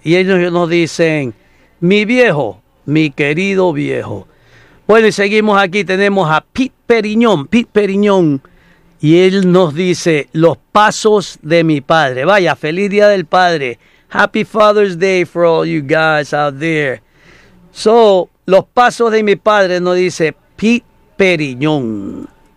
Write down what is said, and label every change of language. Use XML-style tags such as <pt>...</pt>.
<es>Y ellos nos dicen, mi viejo, mi querido viejo. Bueno, y seguimos aquí. Tenemos a Pete Periñón. Y él nos dice, los pasos de mi padre. Vaya, feliz Día del Padre.</es> <en>Happy Father's Day for all you guys out there. So,</en> <es>los pasos de mi padre, nos dice Pete Periñón.</es>